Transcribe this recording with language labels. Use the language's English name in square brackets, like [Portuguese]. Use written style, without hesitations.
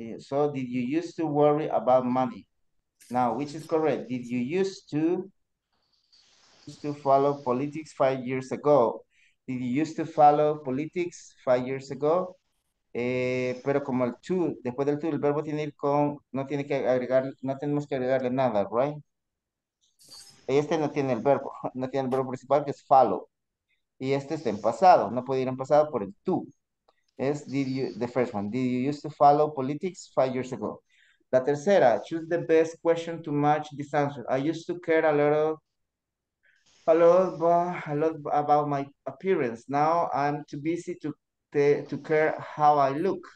[English] So, did you used to worry about money? Now, which is correct? Did you used to follow politics 5 years ago? Did you used to follow politics 5 years ago? [Spanish] Pero como el to, después del to, el verbo tiene que ir con... No tiene que agregar, no tenemos que agregarle nada, right? Este no tiene el verbo, no tiene el verbo principal que es follow. Y este está en pasado, no puede ir en pasado por el to. Es [English] did you, the first one, did you used to follow politics 5 years ago? [Spanish] La tercera, [English] choose the best question to match this answer. I used to care a lot about my appearance. Now I'm too busy to care how I look.